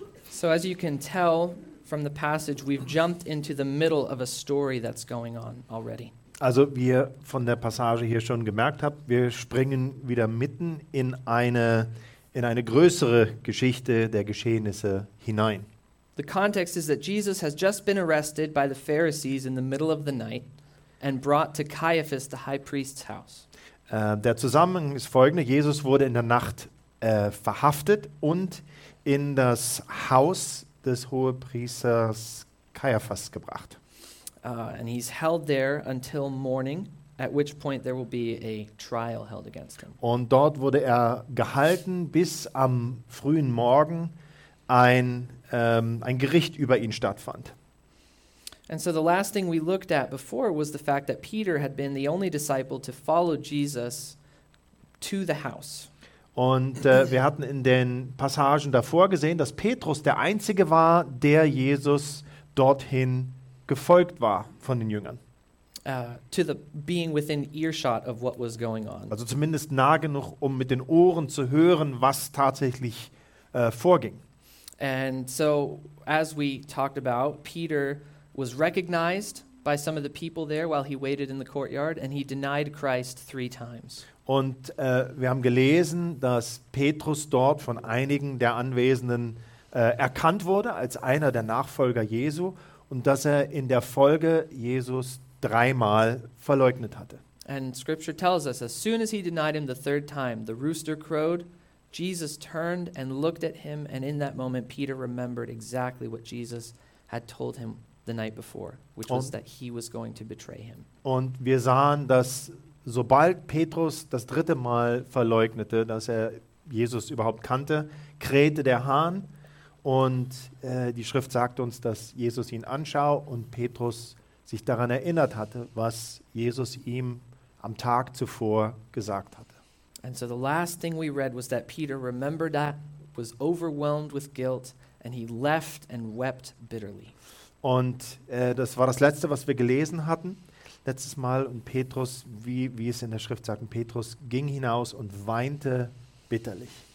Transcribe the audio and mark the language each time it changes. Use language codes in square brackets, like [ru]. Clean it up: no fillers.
[en] So as you can tell from the passage, we've jumped into the middle of a story that's going on already. [de] Also, wie ihr von der Passage hier schon gemerkt habt, wir springen wieder mitten in eine größere Geschichte der Geschehnisse hinein. [en] The context is that Jesus has just been arrested by the Pharisees in the middle of the night and brought to Caiaphas, the high priest's house. [de] Der Zusammenhang ist folgender: Jesus wurde in der Nacht verhaftet und in das Haus des Hohepriesters Caiaphas gebracht. [en] And he's held there until morning, at which point there will be a trial held against him. [de] Und dort wurde er gehalten, bis am frühen Morgen ein Gericht über ihn stattfand. [en] And so the last thing we looked at before was the fact that Peter had been the only disciple to follow Jesus to the house. [de] Und wir hatten in den Passagen davor gesehen, dass Petrus der Einzige war, der Jesus dorthin gefolgt war von den Jüngern. [en] To the being within earshot of what was going on. [de] Also zumindest nah genug, um mit den Ohren zu hören, was tatsächlich vorging. [en] And so, as we talked about, Peter was recognized by some of the people there while he waited in the courtyard, and he denied Christ three times. [de] Und wir haben gelesen, dass Petrus dort von einigen der Anwesenden erkannt wurde als einer der Nachfolger Jesu und dass er in der Folge Jesus dreimal verleugnet hatte. [en] And scripture tells us, as soon as he denied him the third time, the rooster crowed, Jesus turned and looked at him, and in that moment Peter remembered exactly what Jesus had told him the night before, which was that he was going to betray him. [de] Und wir sahen, dass sobald Petrus das dritte Mal verleugnete, dass er Jesus überhaupt kannte, krähte der Hahn und die Schrift sagt uns, dass Jesus ihn anschaute und Petrus sich daran erinnert hatte, was Jesus ihm am Tag zuvor gesagt hatte. [en] And so the last thing we read was that Peter remembered that, was overwhelmed with guilt, and he left and wept bitterly. [de] Und das war das Letzte, was wir gelesen hatten. Letztes Mal, und Petrus, wie es in der Schrift sagt, Petrus ging hinaus und weinte bitterlich.